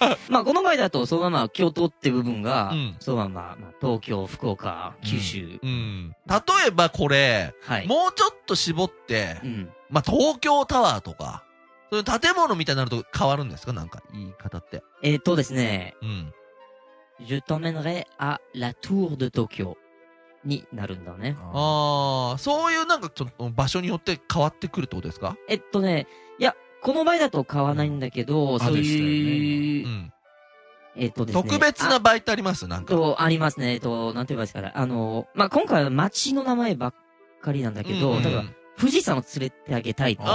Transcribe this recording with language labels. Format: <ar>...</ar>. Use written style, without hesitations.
<ja>まあこの場合だと、そのまま京都って部分が、うん、そのまま、まあ、東京、福岡、九州。うん。うん、例えばこれ、はい、もうちょっと絞って、うん、まあ、東京タワーとか、そういう建物みたいになると変わるんですか？なんか、言い方って。ですね。うん。</ja> <fr>Je t'emmènerai à la tour de Tokyo</fr> <ja>になるんだね。ああ、そういうなんか、ちょっと場所によって変わってくるってことですか？いや、この場合だと変わないんだけど、うん、そういう、ね、うん。特別な場合ってありますなんか。ありますね。なんて言えばいいですかね。まあ、今回は街の名前ばっかりなんだけど、うんうん、例えば、富士山を連れてあげたいとかって。</ja>